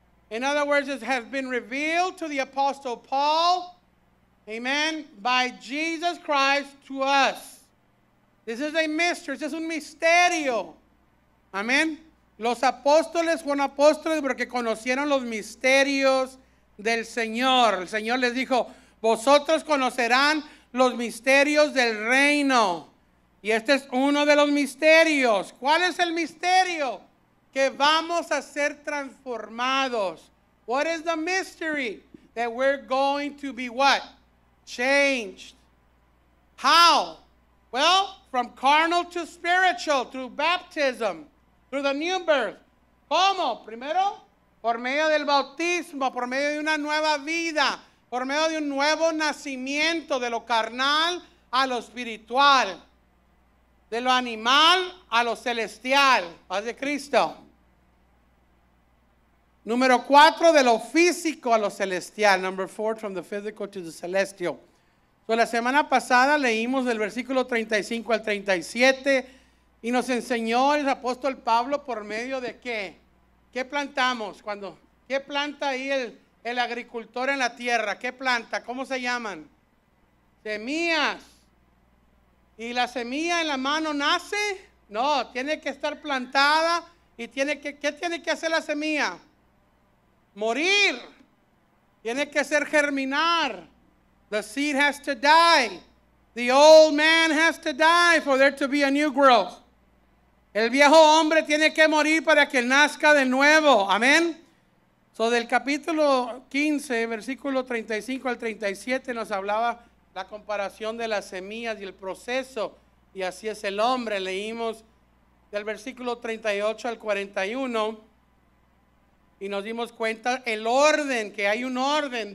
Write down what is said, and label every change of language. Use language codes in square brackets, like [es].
[en] In other words, it has been revealed to the apostle Paul, amen, by Jesus Christ to us. This is a mystery. This is [es] un misterio. [en] Amen. [es] Los apóstoles fueron apóstoles porque conocieron los misterios del Señor. El Señor les dijo, vosotros conocerán los misterios del reino. Y este es uno de los misterios. ¿Cuál es el misterio? Que vamos a ser transformados. [en] What is the mystery? That we're going to be what? Changed. How? Well, from carnal to spiritual, through baptism. Through the new birth. ¿Cómo? [es] Primero, por medio del bautismo, por medio de una nueva vida, por medio de un nuevo nacimiento, de lo carnal a lo espiritual, de lo animal a lo celestial, paz de Cristo. Número cuatro, de lo físico a lo celestial. [en] Number four, from the physical to the celestial. [es] So, la semana pasada leímos del versículo 35 al 37, y nos enseñó el apóstol Pablo por medio de qué. ¿Qué plantamos? Cuando, ¿qué planta ahí el agricultor en la tierra? ¿Qué planta? ¿Cómo se llaman? Semillas. ¿Y la semilla en la mano nace? No, tiene que estar plantada. Y tiene que, ¿qué tiene que hacer la semilla? Morir. Tiene que ser germinar. [en] The seed has to die. The old man has to die for there to be a new growth. [es] El viejo hombre tiene que morir para que nazca de nuevo. Amén. So, del capítulo 15, versículo 35 al 37, nos hablaba la comparación de las semillas y el proceso. Y así es el hombre. Leímos del versículo 38 al 41 y nos dimos cuenta el orden, que hay un orden.